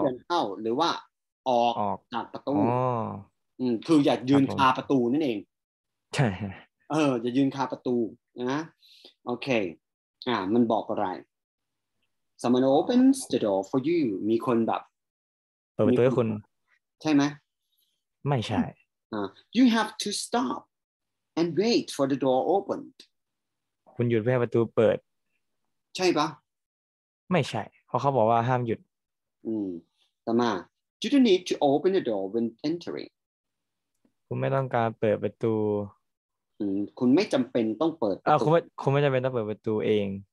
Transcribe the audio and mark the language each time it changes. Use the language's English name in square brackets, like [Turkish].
[Thai] เดินเข้าหรือว่าออกจากประตูคืออย่ายืนคาประตูนั่นเอง ใช่อย่ายืนคาประตูนะโอเคมันบอกอะไร [English] someone opens the door for you [Thai] มีคนแบบ เปิดประตูให้คุณ ใช่ไหม ไม่ใช่ [English] you have to stopand wait for the door opened [Thai] คุณหยุดเพื่อประตูเปิด ใช่ปะ ไม่ใช่เพราะเขาบอกว่าห้ามหยุด ต่อมา [English] you don't need to open the door when entering [Thai] คุณไม่ต้องการเปิดประตู คุณไม่จำเป็นต้องเปิด คุณไม่จำเป็นต้องเปิดประตูเอง